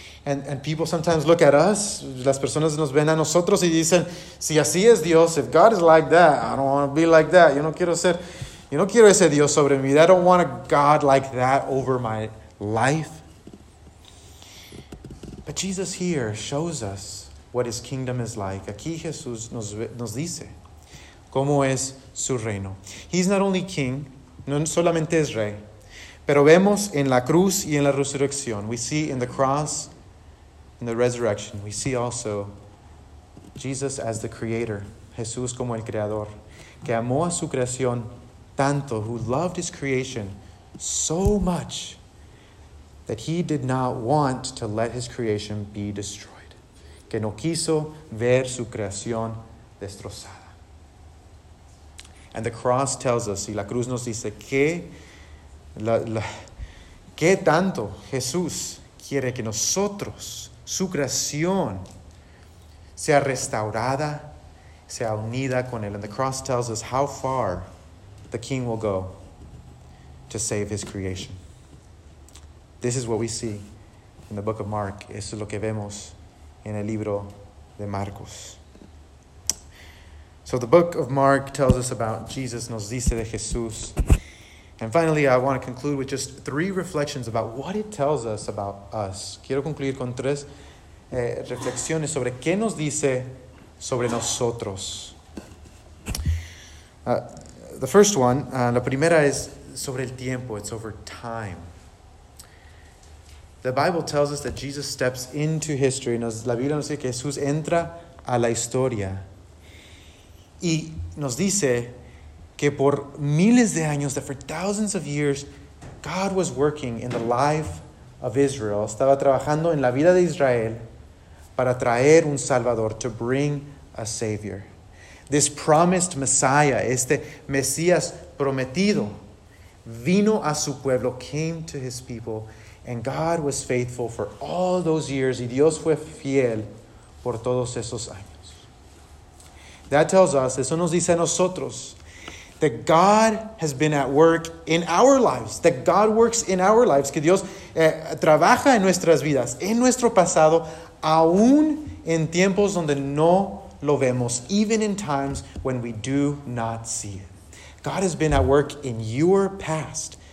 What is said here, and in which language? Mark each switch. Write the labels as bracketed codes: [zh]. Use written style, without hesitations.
[en] And people sometimes look at us. [es] Las personas nos ven a nosotros y dicen, si así es Dios, [en] if God is like that, I don't want to be like that. [es] Yo no quiero ese Dios sobre mí. [en] I don't want a God like that over my life. But Jesus here shows us what his kingdom is like. [es] Aquí Jesús nos dice cómo es su reino. [en] He's not only king, [es] no solamente es rey, pero vemos en la cruz y en la resurrección. [en] We see in the cross, in the resurrection, we see also Jesus as the creator. Jesús como el creador, que amó a su creación tanto, who loved his creation so much that he did not want to let his creation be destroyed. [es] Que no quiso ver su creación destrozada. [en] And the cross tells us, [es] y la cruz nos dice, que tanto Jesús quiere que nosotros, su creación, sea restaurada, sea unida con él. [en] And the cross tells us how far the king will go to save his creation. This is what we see in the book of Mark. [es] Eso es lo que vemos en el libro de Marcos. [en] So the book of Mark tells us about Jesus, [es] nos dice de Jesús. [en] And finally, I want to conclude with just three reflections about what it tells us about us. [es] Quiero concluir con tres reflexiones sobre qué nos dice sobre nosotros. [en] The first one, [es] la primera es sobre el tiempo, [en] it's over time. The Bible tells us that Jesus steps into history. [es] La Biblia nos dice que Jesús entra a la historia. Y nos dice que por miles de años, [en] that for thousands of years, God was working in the life of Israel. [es] Estaba trabajando en la vida de Israel para traer un Salvador, [en] to bring a Savior. This promised Messiah, [es] este Mesías prometido, vino a su pueblo, [en] came to his people, and God was faithful for all those years. [es] Y Dios fue fiel por todos esos años. [en] That tells us, [es] eso nos dice a nosotros, [en] that God has been at work in our lives. That God works in our lives. [es] Que Dios trabaja en nuestras vidas, en nuestro pasado, aún en tiempos donde no lo vemos. [en] Even in times when we do not see it. God has been at work in your past.